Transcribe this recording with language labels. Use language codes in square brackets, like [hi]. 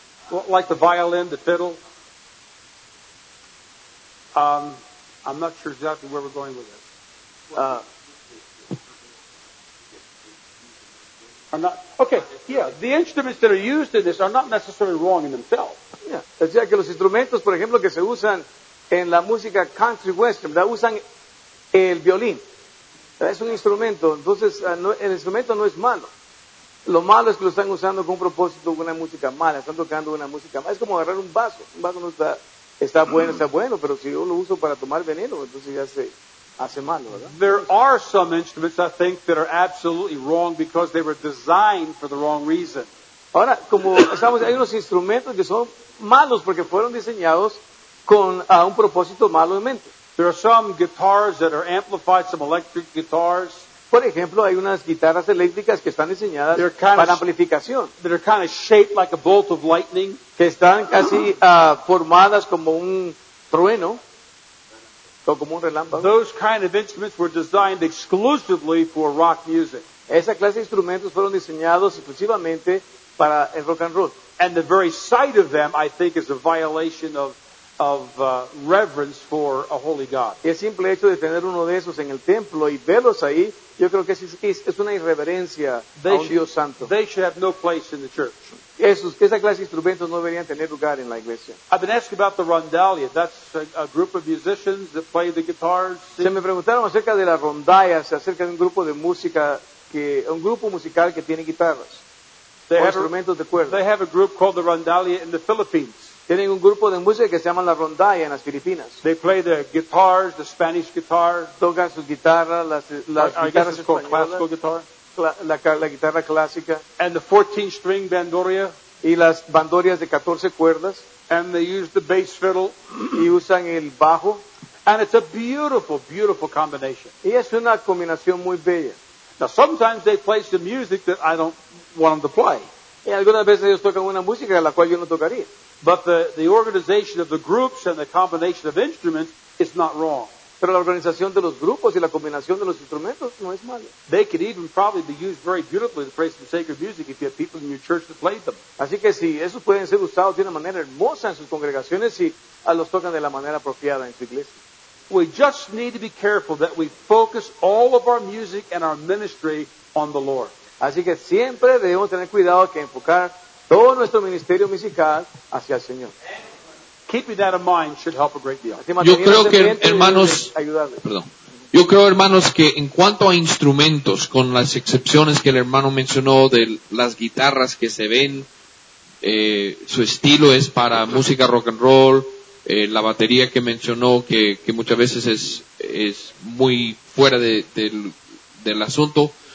[en] Well, like the violin, the fiddle? I'm not sure exactly where we're going with this. The instruments that are used in this are not necessarily wrong in themselves. [es] Yeah. O sea, que los instrumentos, por ejemplo, que se usan en la música country western, la usan el violín. Es un instrumento. Entonces, el instrumento no es malo. Lo malo es que lo están usando con un propósito, con una música mala. Están tocando una música mala. Es como agarrar un vaso. Un vaso no está bueno, está bueno. Pero si yo lo uso para tomar veneno, entonces ya se hace malo, ¿verdad? [en] There are some instruments, I think, that are absolutely wrong because they were designed for the wrong reason. [es] Ahora, como estamos, hay unos instrumentos que son malos porque fueron diseñados con un propósito malo en mente. [en] There are some guitars that are amplified, some electric guitars. [es] Por ejemplo, hay unas guitarras eléctricas que están diseñadas para amplificación. [en] That are kind of shaped like a bolt of lightning. [es] Que están casi formadas como un trueno o como un relámpago. [en] Those kind of instruments were designed exclusively for rock music. [es] Esa clase de instrumentos fueron diseñados exclusivamente para el rock and roll. [en] And the very sight of them, I think, is a violation of reverence for a holy God. [es] El simple hecho de tener uno de esos en el templo y verlos ahí, yo creo que es una irreverencia a un Dios santo. [en] They should have no place in the church. [es] Esa clase de instrumentos no deberían tener lugar en la iglesia. [en] I've been asked about the rondalia. That's a group of musicians that play the guitars. [es] Se me preguntaron acerca de las rondallas, acerca de un grupo de música un grupo musical que tiene guitarras. [en] They [es] o instrumentos de cuerda. [en] They have a group called the rondalia in the Philippines. [es] Tienen un grupo de música que se llama La Rondalla en las Filipinas. [en] They play the guitars, the Spanish guitar. [es] Tocan sus guitarras, las guitarras españolas. [en] Classical guitar. [es] La guitarra clásica. [en] And the 14-string bandurria. [es] Y las bandurrias de 14 cuerdas. [en] And they use the bass fiddle. [es] Y usan el bajo. [en] And it's a beautiful, beautiful combination. [es] Y es una combinación muy bella. [en] Now sometimes they play some music that I don't want them to play. [es] Y algunas veces ellos tocan una música a la cual yo no tocaría. [en] But the organization of the groups and the combination of instruments is not wrong. [es] Pero la organización de los grupos y la combinación de los instrumentos no es mala. [en] They could even probably be used very beautifully to praise the sacred music if you have people in your church that play them. [es] Así que sí, esos pueden ser usados de una manera hermosa en sus congregaciones si los tocan de la manera apropiada en su iglesia. [en] We just need to be careful that we focus all of our music and our ministry on the Lord. [es] Así que siempre debemos tener cuidado que enfocar todo nuestro ministerio musical hacia el Señor. [en] Keeping that in mind should help a great deal. [es] Yo creo que, hermanos, que en cuanto a instrumentos, con las excepciones que el hermano mencionó de las guitarras que se ven, su estilo es para música rock and roll, la batería que mencionó, que muchas veces es muy fuera del asunto.